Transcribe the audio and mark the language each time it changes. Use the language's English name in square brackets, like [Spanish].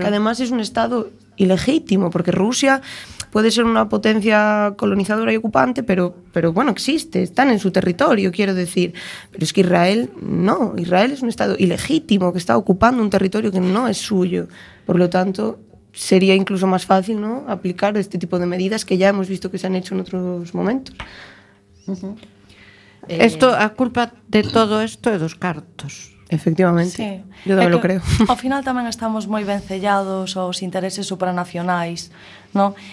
[Spanish] Que además es un Estado ilegítimo, porque Rusia puede ser una potencia colonizadora y ocupante, pero bueno, existe, están en su territorio, quiero decir. Pero es que Israel, no, Israel es un Estado ilegítimo, que está ocupando un territorio que no es suyo. Por lo tanto, sería incluso más fácil, ¿no?, aplicar este tipo de medidas que ya hemos visto que se han hecho en otros momentos. Uh-huh. Esto, [Galician] a culpa de todo isto é dos cartos. [Spanish] Efectivamente, sí. Yo [Galician] tamén [Spanish] lo creo. [Galician] Ao final tamén estamos moi vencellados aos intereses supranacionais, ¿no?